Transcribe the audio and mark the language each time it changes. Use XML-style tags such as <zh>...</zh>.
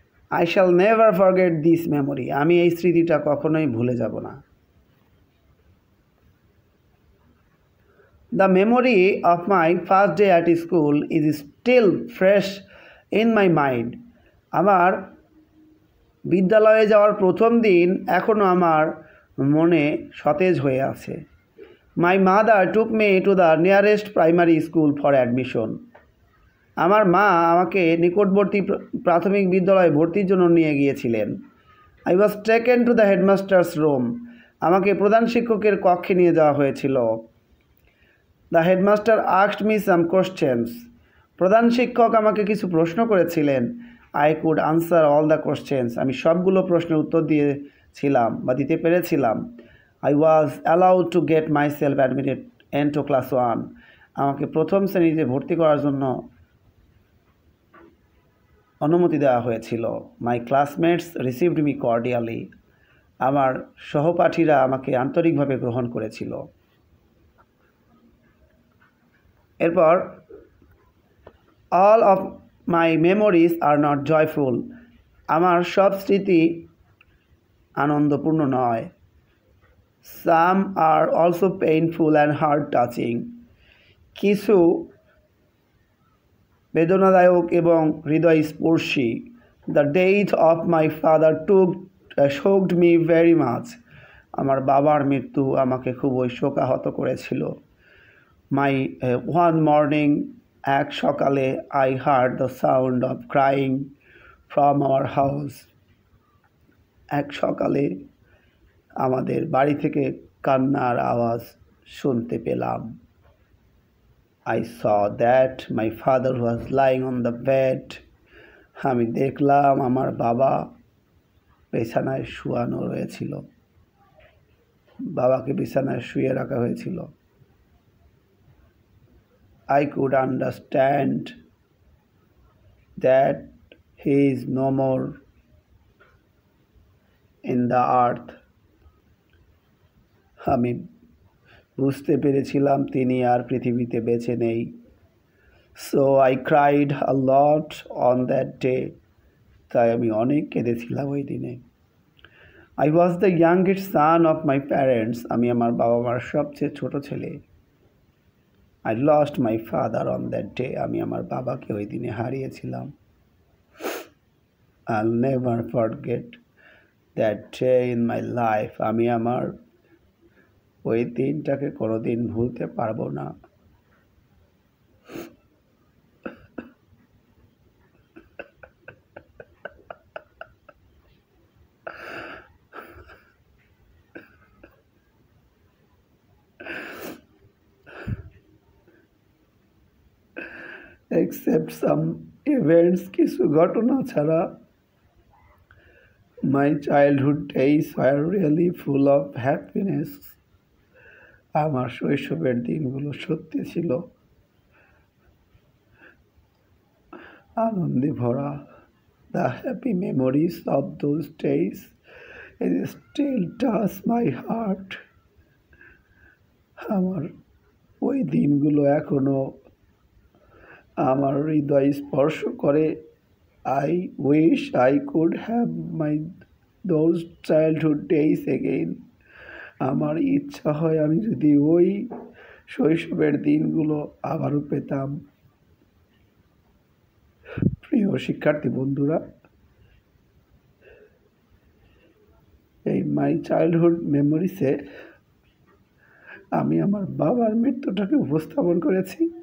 <en>I shall never forget this memory,</en> <bn>আমি এই স্মৃতিটা কখনোই ভুলে যাব না।</bn> <en>The memory of my first day at school is still fresh in my mind.</en> <bn>আমার বিদ্যালয়ে যাওয়ার প্রথম দিন এখনো আমার মনে সতেজ হয়ে আছে।</bn> <en>My mother took me to the nearest primary school for admission.</en> <bn>আমার মা আমাকে নিকটবর্তী প্রাথমিক বিদ্যালয়ে ভর্তির জন্য নিয়ে গিয়েছিলেন।</bn> <en>I was taken to the headmaster's room.</en> <bn>আমাকে প্রধান শিক্ষকের কক্ষে নিয়ে যাওয়া হয়েছিল।</bn> <en>The headmaster asked me some questions.</en> <bn>প্রধান শিক্ষক আমাকে কিছু প্রশ্ন করেছিলেন।</bn> <en>I could answer all the questions.</en> <bn>আমি সবগুলো প্রশ্নের উত্তর দিয়েছিলাম বা দিতে পেরেছিলাম।</bn> <en>I was allowed to get myself admitted into class 1.</en> <bn>আমাকে প্রথম শ্রেণীতে ভর্তি করার জন্য অনুমতি দেওয়া হয়েছিল।</bn> <en>My classmates received me cordially.</en> <bn>আমার সহপাঠীরা আমাকে আন্তরিকভাবে গ্রহণ করেছিল।</bn> <en>এরপর All of my memories are not joyful.</en> <bn>আমার সব স্মৃতি আনন্দপূর্ণ নয়।</bn> <en>Some are also painful and heart-touching.</en> <bn>কিছু বেদনাদায়ক এবং হৃদয়স্পর্শী।</bn> <en>The death of my father shocked me very much.</en> <bn>আমার বাবার মৃত্যু আমাকে খুবই শোকাহত করেছিল।</bn> <en>My one morning,</en> <bn>এক সকালে,</bn> <en>I heard the sound of crying from our house.</en> <bn>এক সকালে আমাদের বাড়ি থেকে কান্নার আওয়াজ শুনতে পেলাম।</bn> <en>I saw that my father was lying on the bed.</en> <bn>আমি দেখলাম আমার বাবা বিছানায় শুয়ানো রয়েছিল। বাবাকে বিছানায় শুয়ে রাখা হয়েছিল।</bn> <en>I could understand that he is no more in the earth.</en> <bn>আমি বুঝতে পেরেছিলাম তিনি আর পৃথিবীতে বেঁচে নেই।</bn> <en>So I cried a lot on that day.</en> <bn>তাই আমি অনেক কেঁদেছিলাম ওই দিনে।</bn> <en>I was the youngest son of my parents.</en> <bn>আমি আমার বাবা মার সবচেয়ে ছোট ছেলে।</bn> <en>I lost my father on that day.</en> <bn>আমি আমার বাবাকে ওই দিনে হারিয়েছিলাম।</bn> <en>I'll never forget that day in my life.</en> <bn>আমি আমার ওই দিনটাকে কোনোদিন ভুলতে পারবো না।</bn> <en>Except some events,</en> <bn>kisu ghatona chhara,</bn> <en>my childhood days were really full of happiness.</en> <bn>Amar shoishober din gulo shotti chilo anonde bhora.</bn> <en>The happy memories of those days still touch my heart. Amar oi din gulo ekhono</en> <bn>আমার হৃদয় স্পর্শ করে।</bn> <en>I wish I could have my those childhood days again.</en> <bn>আমার ইচ্ছা হয় আমি যদি ওই শৈশবের দিনগুলো আবারও পেতাম। প্রিয় শিক্ষার্থী বন্ধুরা, এই মাই চাইল্ডহুড মেমোরিসে আমি আমার বাবার মৃত্যুটাকে উপস্থাপন করেছি।</bn>